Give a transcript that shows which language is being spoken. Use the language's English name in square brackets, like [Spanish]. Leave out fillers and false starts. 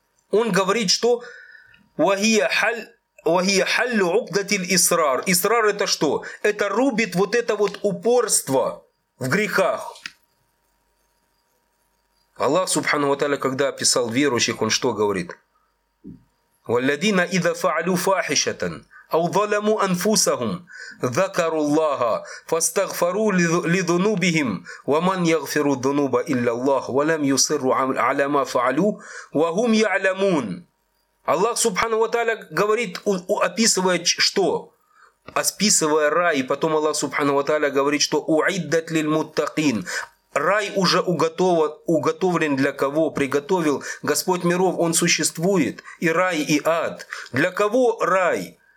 [Russian] Он говорит, что [Arabic] «Вахия халлю укдатиль исрар». [Russian] Исрар – это что? Это рубит вот это вот упорство в грехах. Аллах, Субхану ва Тааля, когда описал верующих, он что говорит? [Arabic] «Валлядина идза фаалю фахишатан». أو ظلموا أنفسهم ذكروا الله فاستغفروا لذنوبهم ومن يغفر الذنوب إلا الله ولم يصروا على ما فعلوا وهم يعلمون. [Russian] Аллах Субхану ва Тааля говорит, описывает что? Описывая рай, и потом Аллах Субхану ва Тааля говорит, что [Arabic] уиддат лильмуттакин. [Russian] Рай уже уготовлен для кого? Приготовил Господь миров, он существует, и рай, и ад. Для кого рай?